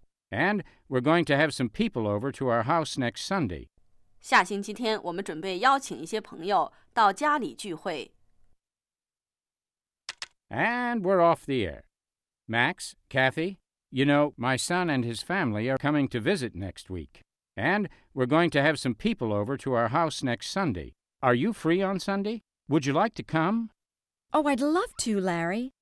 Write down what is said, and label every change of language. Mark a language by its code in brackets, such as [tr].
[en] And we're going to have some people over to our house next Sunday. [zh] 下星期天我们准备邀请一些朋友到家里聚会。 [en] And we're off the air. Max, Kathy, you know, my son and his family are coming to visit next week. And we're going to have some people over to our house next Sunday. Are you free on Sunday? Would you like to come? Oh, I'd love to, Larry.